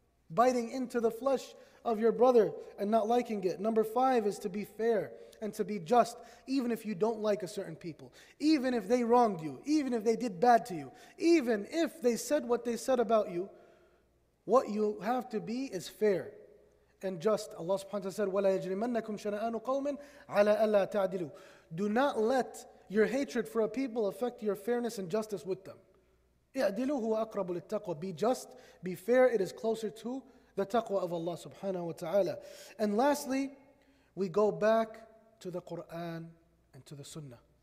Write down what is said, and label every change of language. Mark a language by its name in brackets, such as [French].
[English] Biting into the flesh of your brother and not liking it. Number five is to be fair and to be just, even if you don't like a certain people, even if they wronged you, even if they did bad to you, even if they said what they said about you, what you have to be is fair and just. Allah subhanahu wa ta'ala said, [Arabic] وَلَا يَجْرِمَنَّكُمْ شَنَآنُ قَوْمٍ عَلَىٰ أَلَّا تَعْدِلُوا. [English] Do not let your hatred for a people affect your fairness and justice with them. [Arabic] اِعْدِلُوا هُوَ أَقْرَبُ لِلتَّقْوَى. [English] Be just, be fair, it is closer to the taqwa of Allah subhanahu wa ta'ala. And lastly, we go back to the Qur'an and to the sunnah.